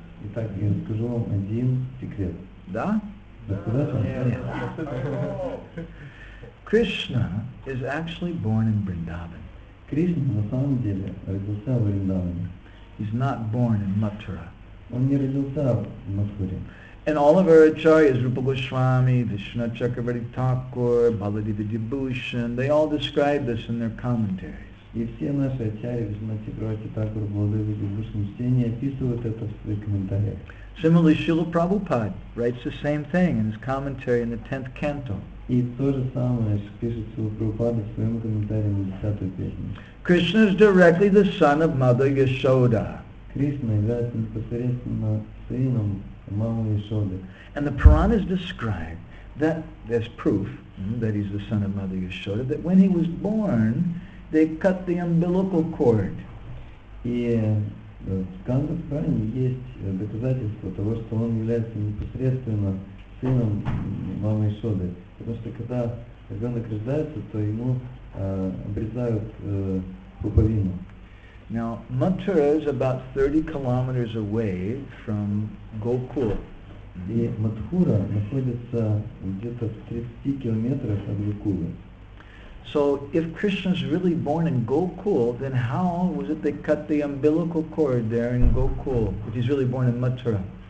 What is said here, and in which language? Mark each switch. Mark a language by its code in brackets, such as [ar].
[ru] Итак, я расскажу вам один секрет. Да? [en] Yeah. Krishna is actually born in Vrindavan. [ru] Krishna, на самом деле, родился в Вриндаване. [en] He's not born in Mathura. [ru] Он не родился в Матхуре. [en] And all of our acharyas, Rupa Goswami, Vishnu Chakravarti Thakur, Baladeva Dibhushan, they all describe this in their commentaries. [ru] И все наши ачарьи, Вишнати Прабхупада Тхакур, Бхагавад Гита, Бхагавад Гита, описывают это в своих комментариях. [en] Similarly, Srila Prabhupada writes the same thing in his commentary in the 10th canto. [ru] И то же самое пишет Srila Prabhupada в своем комментарии на 10-ю песню. [en] Krishna is directly the son of Mother Yashoda. [ru] Кришна является непосредственно сыном мамы Яшоды. [en] And the Puranas describe that there's proof that he's the son of Mother Yashoda, that when he was born, they cut the umbilical cord. [ru] И в Канда Пуране есть доказательство того, что он является непосредственно сыном мамы Яшоды. Потому что когда ребенок рождается, то ему обрезают пуповину. [en] Now, Mathura is about 30 kilometers away from Gokul. [ru] И Матхура находится где-то в 30 километрах от Гокулы. [en] So, if Krishna's really born in Gokul, then how was it they cut the umbilical cord there in Gokul, if he's really born in Mathura?